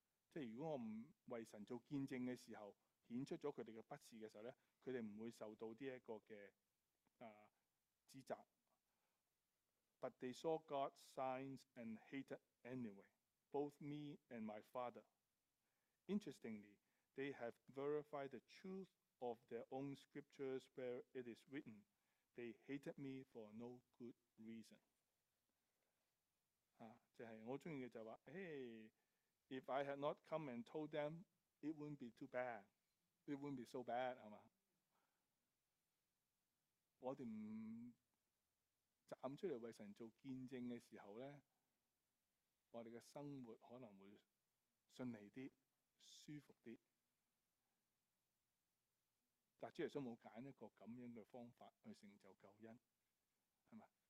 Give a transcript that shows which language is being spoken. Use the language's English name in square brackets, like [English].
[Chinese] 即如果我不为神做见证的时候显出了他们的不是的时候，他们不会受到这个的指责。 [English] But they saw God's signs and hated anyway, both me and my father. Interestingly, they have verified the truth of their own scriptures where it is written, they hated me for no good reason. [Chinese] 就是我喜欢的就是说， [English] hey, if I had not come and told them, it wouldn't be too bad. It wouldn't be so bad, [Chinese] 是吗？我们站出来为神做见证的时候呢，我们的生活可能会顺利一点，舒服一点。但主耶稣没有选一个这样的方法去成就救恩，是吧？